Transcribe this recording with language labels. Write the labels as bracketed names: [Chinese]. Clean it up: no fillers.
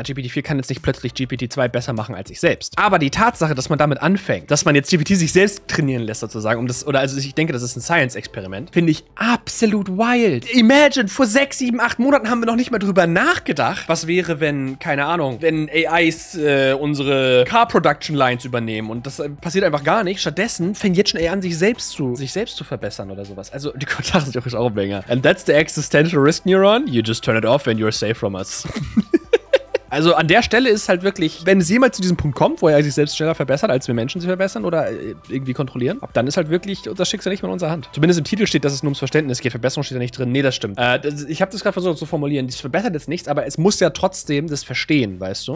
[German] GPT-4 kann jetzt nicht plötzlich GPT-2 besser machen als ich selbst. Aber die Tatsache, dass man damit anfängt, dass man jetzt GPT sich selbst trainieren lässt sozusagen, um das, oder also ich denke, das ist ein Science-Experiment, finde ich absolut wild. Imagine, vor 6, 7, 8 Monaten haben wir noch nicht mal drüber nachgedacht, was wäre, wenn, keine Ahnung, wenn AIs unsere Car-Production-Lines übernehmen und das passiert einfach gar nicht. Stattdessen fängt jetzt schon AI an, sich selbst zu verbessern oder sowas. Also, die Kontakte sind auch länger. [English] And that's the existential risk neuron. You just turn it off and you're safe from us. [German] Also an der Stelle ist halt wirklich, wenn es jemals zu diesem Punkt kommt, wo er sich selbst schneller verbessert, als wir Menschen sie verbessern oder irgendwie kontrollieren, dann ist halt wirklich das Schicksal nicht mehr in unserer Hand. Zumindest im Titel steht, dass es nur ums Verständnis geht. Verbesserung steht da nicht drin. Nee, das stimmt. Ich habe das gerade versucht zu formulieren. Das verbessert jetzt nichts, aber es muss ja trotzdem das verstehen, weißt du?